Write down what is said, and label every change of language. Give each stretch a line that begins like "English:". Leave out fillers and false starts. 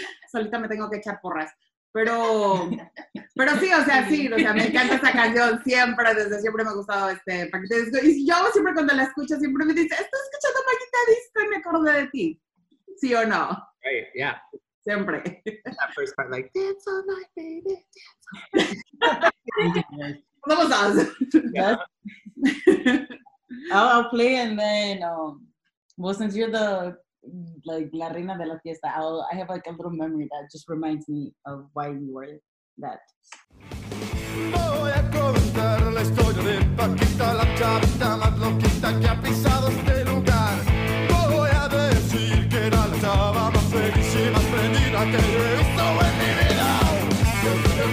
Spanish: Solita me tengo que echar porras. Pero sí, o sea, sí, o sea, me encanta esa canción siempre, desde siempre me ha gustado Paquita Disco. Y yo siempre cuando la escucho, siempre me dice, estoy escuchando Paquita Disco y me acordé de ti. ¿Sí o no?
English: Right, yeah.
Spanish: Siempre.
English: That first part, like, dance all night, baby, dance all night.
Spanish: Vamos a hacer.
English: I'll play and then, well, since you're the... like
Spanish: la reina de la fiesta,
English: I have like a little memory that just reminds me of why you were that.
Spanish: Voy a contar la historia de Paquita, la chavita más loquita que ha pisado este lugar. Voy a decir que era la chava más feliz y más prendida que yo he visto en mi vida.